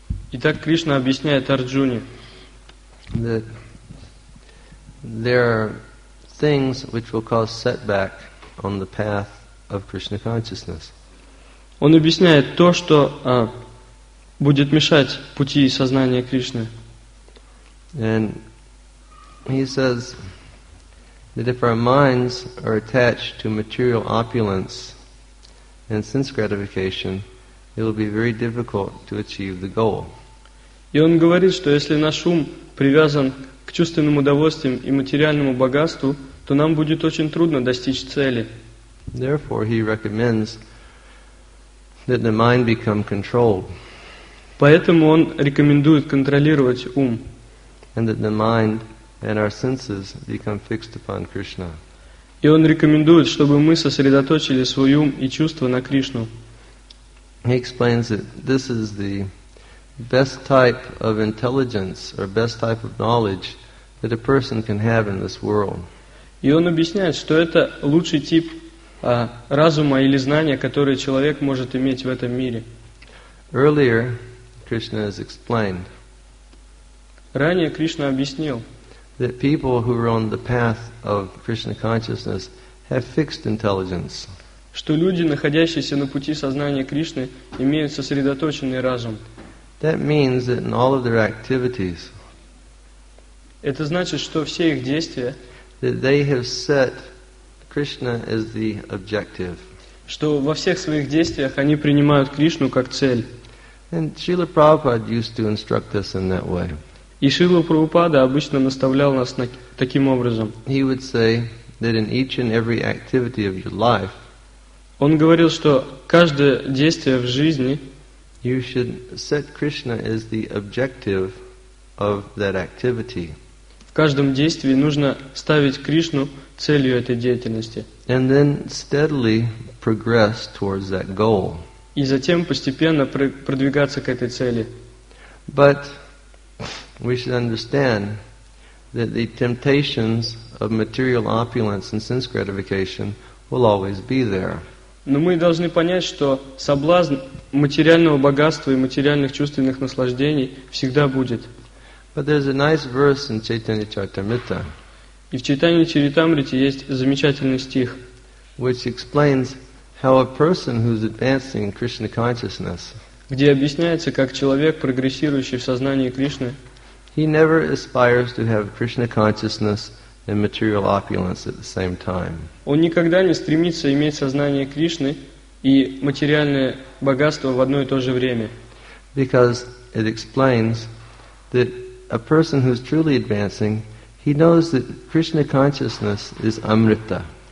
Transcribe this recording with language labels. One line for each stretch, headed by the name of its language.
Russian: Итак, Кришна объясняет Арджуне.
English: That there are things which will cause setback on the path of Krishna consciousness.
Russian: Он объясняет то, что будет мешать пути сознания Кришны.
English: And he says that if our minds are attached to material opulence and sense gratification, it will be very difficult to achieve the goal.
Russian: И он говорит, что если наш ум привязан к чувственным удовольствиям и материальному богатству, то нам будет очень трудно достичь цели.
English: Therefore, he recommends that the mind become controlled.
Russian: Поэтому он рекомендует контролировать ум.
English: And that the mind and our senses become fixed upon Krishna.
Russian: И он рекомендует, чтобы мы сосредоточили свой ум и чувства на Кришну.
English: He explains that this is the best type of intelligence or best type of knowledge that a person can have in this world.
Russian: И он объясняет, что это лучший тип разума или знания, который человек может иметь в этом мире.
English: Earlier, Krishna has explained.
Russian: Ранее Кришна объяснил.
English: That people who are on the path of Krishna consciousness have fixed intelligence.
Russian: Что люди, находящиеся на пути сознания Кришны, имеют сосредоточенный разум.
English: That means that in all of their activities.
Russian: Это значит, что все их действия.
English: That they have set Krishna as the objective.
Russian: Что во всех своих действиях они принимают Кришну как цель.
English: And Srila Prabhupada used to instruct us in that way.
Russian: И Шрила Прабхупада обычно наставлял нас таким образом.
English: He would say that in each and every activity of your life.
Russian: Он говорил, что каждое действие в жизни.
English: You should set Krishna as the objective of that activity.
Russian: В каждом действии нужно ставить Кришну целью этой деятельности.
English: And then steadily progress towards that goal.
Russian: И затем постепенно продвигаться к этой цели.
English: But we should understand that the temptations of material opulence and sense gratification will always be there.
Russian: Но мы должны понять, что соблазн материального богатства и материальных чувственных наслаждений всегда будет.
English: But there's a nice verse in Chaitanya Charitamrita.
Russian: И в Чайтанья Чаритамрите есть замечательный стих,
English: which explains how a person who's advancing in Krishna consciousness.
Russian: Где объясняется, как человек, прогрессирующий в сознании Кришны,
English: he never aspires to have Krishna consciousness and material opulence at the same time.
Russian: Он никогда не стремится иметь сознание Кришны и материальное богатство в одно и то же время.
English: Because it explains that a person who's truly advancing, he knows that Krishna consciousness is amrita.